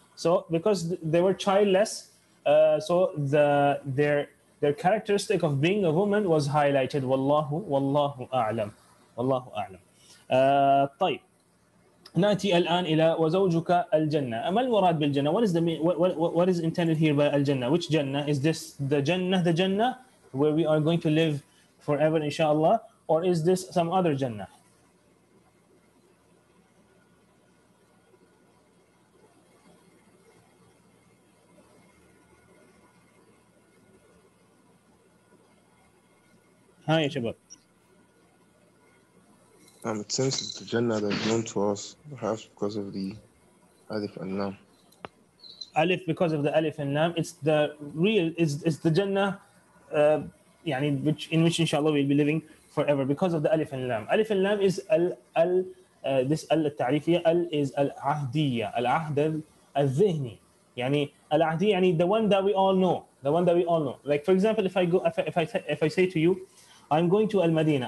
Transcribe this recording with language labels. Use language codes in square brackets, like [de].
[en] So because they were childless, so their characteristic of being a woman was highlighted. [ar] Wallahu a'lam. Wallahu a'lam. طيب نأتي الآن إلى وزوجك الجنة. ما المراد بالجنة؟ [en] What is intended here by الجنة? Which جنة? Is this the جنة where we are going to live forever, inshallah? Or is this some other جنة? Hi, شباب. It seems it's the Jannah that is known to us, perhaps because of the Alif and Lam. Alif, because of the Alif and Lam, it's the real, it's the Jannah, يعني which in which inshallah we'll be living forever because of the Alif and Lam. Alif and Lam is this al التعريفية. Al is al ahdiya, al ahd al ذهني. يعني al ahdiya, يعني the one that we all know, the one that we all know. Like for example, if I say to you, I'm going to Al-Madina.